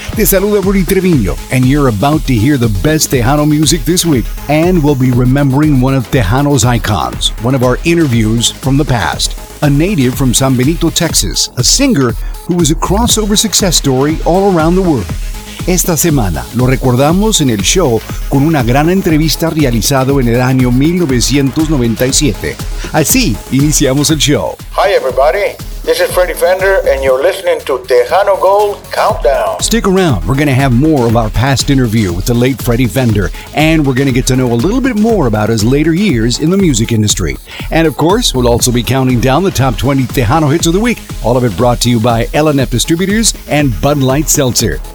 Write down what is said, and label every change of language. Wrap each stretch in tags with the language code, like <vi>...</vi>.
<es>Te saluda</es> <en>Rudy Treviño, and you're about to hear the best Tejano music this week. And we'll be remembering one of Tejano's icons, one of our interviews from the past. A native from San Benito, Texas, a singer who was a crossover success story all around the world.</en> <es>Esta semana lo recordamos en el show con una gran entrevista realizado en el año 1997. Así iniciamos el show.</es> <en>Hi everybody, this is Freddy Fender and you're listening to Tejano Gold Countdown. Stick around, we're going to have more of our past interview with the late Freddy Fender, and we're going to get to know a little bit more about his later years in the music industry. And of course, we'll also be counting down the top 20 Tejano hits of the week, all of it brought to you by L&F Distributors and Bud Light Seltzer.</en>